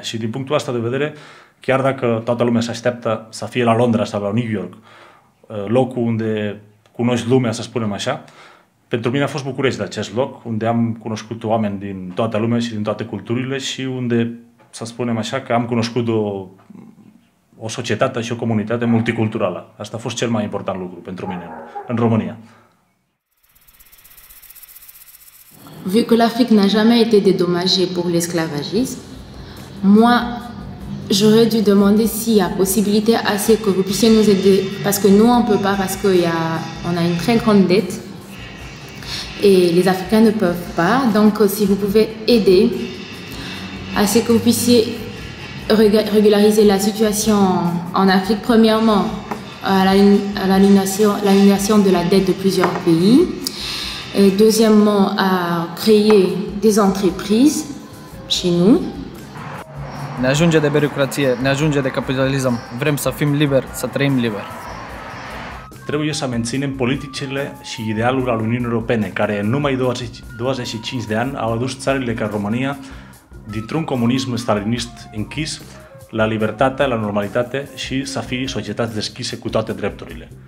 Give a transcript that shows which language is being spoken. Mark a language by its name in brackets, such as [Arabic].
[Romanian] Și din punctul ăsta de vedere, chiar dacă toată lumea se așteaptă să fie la Londra sau la New York, locul unde cunoști lumea, să spunem așa, pentru mine a fost București de acest loc, unde am cunoscut oameni din toată lumea și din toate culturile și unde, să spunem așa, că am cunoscut o societate și o comunitate multiculturală. Asta a fost cel mai important lucru pentru mine în România. [French] Vu que l'Afrique n'a jamais été dédommagée pour l'esclavagisme, moi, j'aurais dû demander s'il y a possibilité assez que vous puissiez nous aider, parce que nous, on ne peut pas, parce qu'on a une très grande dette, et les Africains ne peuvent pas, donc si vous pouvez aider, assez que vous puissiez régulariser la situation en Afrique, premièrement, à l'annulation de la dette de plusieurs pays, et deuxièmement, à créer des entreprises chez nous. [Romanian] Ne ajunge de birocratie, ne ajunge de capitalism. Vrem să fim liberi, să trăim liber. Trebuie să menținem politicile și idealul al Uniunii Europene, care în numai 25 de ani au adus țările ca România dintr-un comunism stalinist închis la libertate, la normalitate și să fie societăți deschise cu toate drepturile.